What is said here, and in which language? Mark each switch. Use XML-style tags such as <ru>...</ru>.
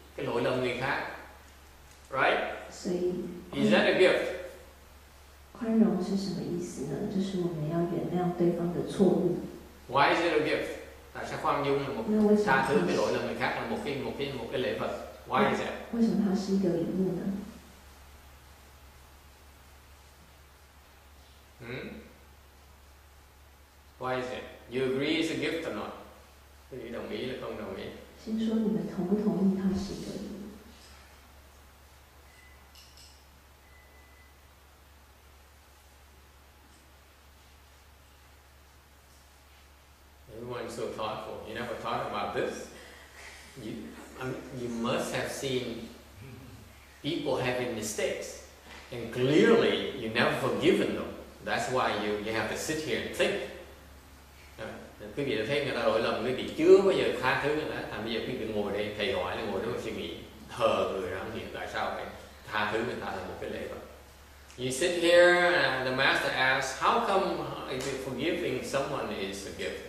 <vi>Cái lỗi lầm người khác, right?</vi> <en>Is that a gift?</en> <zh>宽容是什么意思呢？就是我们要原谅对方的错误。</zh> <en>Why is it a gift?</en> <zh>大家宽容，我们大家特别容忍，你看，我们可以，我们可以，我们可以来分。</zh> <en>Why is that?</en> <zh>为什么它是一个礼物呢？</zh> <en>Why is it? You agree it's a gift or not?</en> <zh>你同意了，同不同意？先说你们同不同意它是一个礼物。</zh> <en>Everyone's so thoughtful. You never thought about this. You must have seen people having mistakes, and clearly you never forgiven them. That's why you have to sit here and think.</en> <vi>Quý vị đã thấy người ta lỗi lầm, quý vị chưa bao giờ tha thứ người ta. Thành bây giờ quý vị ngồi đây, thầy hỏi là ngồi đó suy nghĩ, thờ người đó, hiện tại sao phải tha thứ người ta là một cái lễ vật.</vi> <en>You sit here and the master asks, how come if you're forgiving someone is a gift?</en>